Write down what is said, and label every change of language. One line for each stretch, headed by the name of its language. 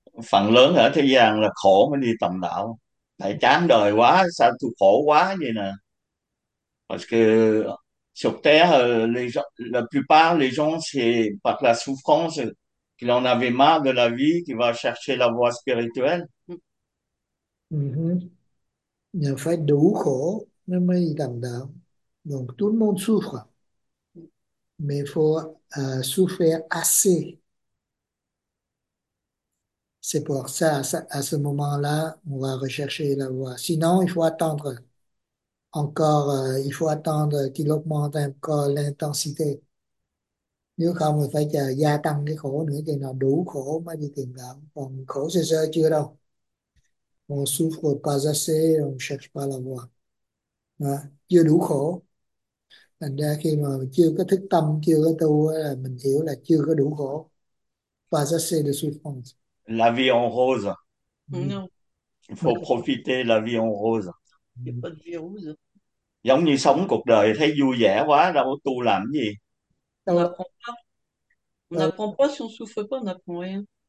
Vietnamese: Phần lớn ở thế gian là khổ mới đi tầm đạo, tại chán đời quá, sao tôi khổ quá vậy nè.
French: Parce que sur terre, les gens, la plupart les gens c'est par la souffrance qu'il en avait marre de la vie, qu'il va chercher la voie spirituelle.
Vietnamese: Nhờ phải đủ khổ nó mới đi tầm đạo.
French: Donc tout le monde souffre, mais faut souffrir assez. C'est pour ça, à ce moment-là, on va rechercher la voie. Sinon, il faut attendre encore, il faut attendre qu'il augmente encore l'intensité.
Vietnamese: Nếu không, mình phải chờ gia tăng cái khổ nữa, thì nào đủ khổ mới đi tìm đạo. Còn khổ sơ sơ chưa đâu.
French: On souffre pas assez, on cherche pas la voie.
Vietnamese: Đó. Chưa đủ khổ. Thành ra khi mà chưa có thức tâm, chưa có tu, là mình hiểu là chưa có đủ khổ.
French: Pas assez de souffrance. La vie en rose. Non. Il faut profiter la vie en rose. Il n'y a pas de vie rose.
Vietnamese: Giống như sống cuộc đời thấy vui vẻ quá, đâu có tu làm gì.
French: On n'apprend pas. On n'apprend pas si on souffre pas, on n'apprend rien.